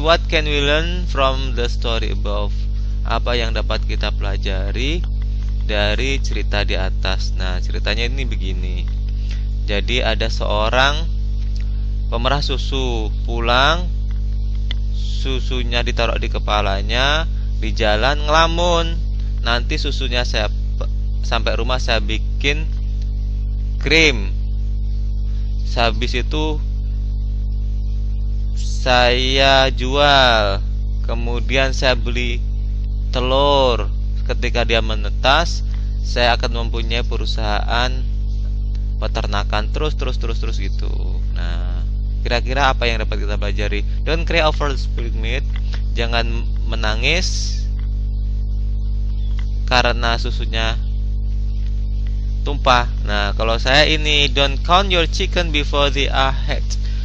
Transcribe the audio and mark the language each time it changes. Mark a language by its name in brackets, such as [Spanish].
[English] What can we learn from the story above? [Indonesian] Apa yang dapat kita pelajari dari cerita di atas? Nah, ceritanya ini begini. Jadi ada seorang pemerah susu pulang, susunya ditaruh di kepalanya, di jalan ngelamun. Nanti susunya saya sampai rumah saya bikin krim. Habis itu saya jual. Kemudian saya beli telur. Ketika dia menetas, saya akan mempunyai perusahaan peternakan terus gitu. Nah, kira-kira apa yang dapat kita pelajari? [English] Don't cry over spilled milk. [Indonesian] Jangan menangis karena susunya tumpah. Nah, kalau saya ini, [English] don't count your chicken before they are hatched.